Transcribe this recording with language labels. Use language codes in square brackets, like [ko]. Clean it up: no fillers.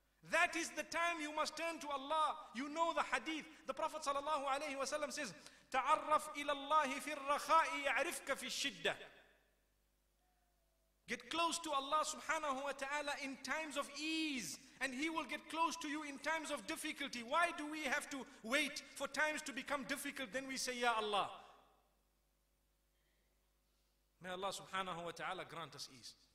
[en] That is the time you must turn to Allah. You know the hadith. The Prophet sallallahu alayhi wa sallam says, [ar] تعرف إلى الله في الرخاء يعرفك في الشدة. [en] Get close to Allah subhanahu wa ta'ala in times of ease, and He will get close to you in times of difficulty. Why do we have to wait for times to become difficult, then we say, Ya Allah? May Allah subhanahu wa ta'ala grant us ease.